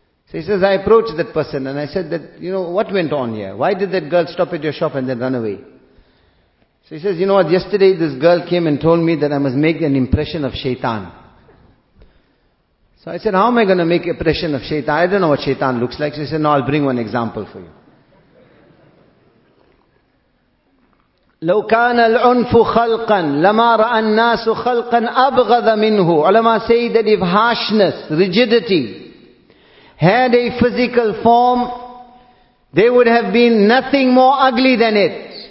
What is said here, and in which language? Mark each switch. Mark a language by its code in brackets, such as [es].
[en] So he says, I approached that person and I said, that, you know, what went on here? Why did that girl stop at your shop and then run away? So he says, you know what, yesterday this girl came and told me that I must make an impression of Shaitan. So I said, how am I going to make an impression of Shaitan? I don't know what Shaitan looks like. So he said, no, I'll bring one example for you. [ar] لو كان العنف خلقا لما رأى الناس خلقا أبغض منه. [en] Ulama say that if harshness, rigidity, had a physical form, there would have been nothing more ugly than it.